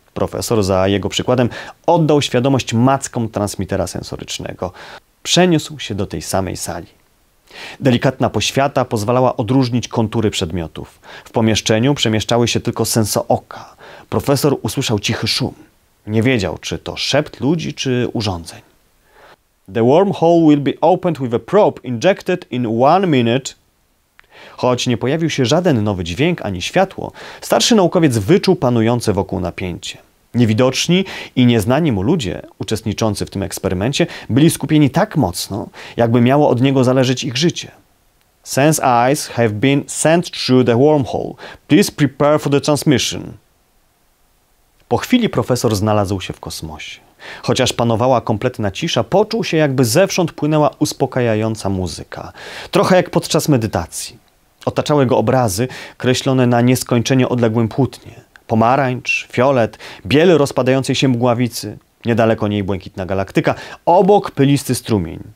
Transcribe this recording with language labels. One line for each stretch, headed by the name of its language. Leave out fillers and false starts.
Polish: Profesor, za jego przykładem, oddał świadomość mackom transmitera sensorycznego. Przeniósł się do tej samej sali. Delikatna poświata pozwalała odróżnić kontury przedmiotów. W pomieszczeniu przemieszczały się tylko sensooka. Profesor usłyszał cichy szum. Nie wiedział, czy to szept ludzi, czy urządzeń.
English: The wormhole will be opened with a probe injected in 1 minute.
Polish: Choć nie pojawił się żaden nowy dźwięk ani światło, starszy naukowiec wyczuł panujące wokół napięcie. Niewidoczni i nieznani mu ludzie, uczestniczący w tym eksperymencie, byli skupieni tak mocno, jakby miało od niego zależeć ich życie.
English: Sense eyes have been sent through the wormhole. Please prepare for the transmission.
Polish: Po chwili profesor znalazł się w kosmosie. Chociaż panowała kompletna cisza, poczuł się, jakby zewsząd płynęła uspokajająca muzyka. Trochę jak podczas medytacji. Otaczały go obrazy, kreślone na nieskończenie odległym płótnie. pomarańcz, fiolet, biel rozpadającej się mgławicy, niedaleko niej błękitna galaktyka, obok pylisty strumień.